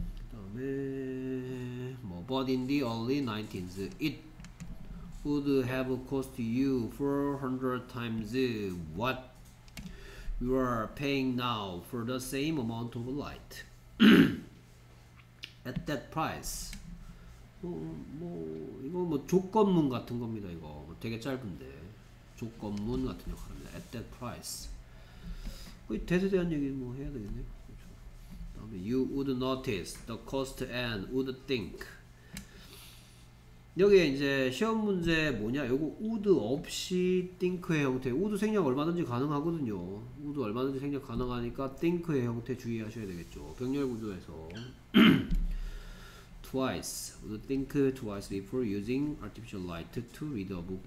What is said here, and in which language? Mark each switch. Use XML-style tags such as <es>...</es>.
<ko>그다음에 뭐</ko> <en>but in the early 19th it would have cost you 400 times what you are paying now for the same amount of light at that price.</en> <ko>뭐 이거 뭐 조건문 같은 겁니다. 이거 되게 짧은데 조건문 같은 역할입니다.</ko> <en>at that price.</en> <ko>그 대세 대한 얘기 뭐 해야 되겠네요.</ko> <en>You would notice the cost and would think.</en> <ko>여기에 이제 시험 문제 뭐냐? 요거 우드 없이 띵크의 형태. 우드 생략 얼마든지 가능하거든요. 우드 얼마든지 생략 가능하니까 띵크의 형태 주의하셔야 되겠죠. 병렬 구조에서.</ko> <en>Twice. Would think twice before using artificial light to read a book.</en>